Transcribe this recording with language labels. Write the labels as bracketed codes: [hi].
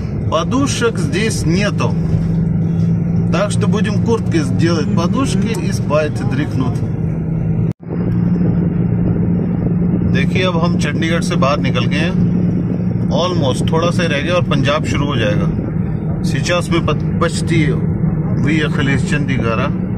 [ru] Подушек здесь нету, так что будем куртки сделать, подушки и спать, дрыхнут. [hi] Дехи, अब हम चंडीगढ़ से बाहर निकल गए हैं, almost थोड़ा सा रह गया और पंजाब शुरू हो जाएगा. [ru] Сейчас мы почти выехали из Чандигара.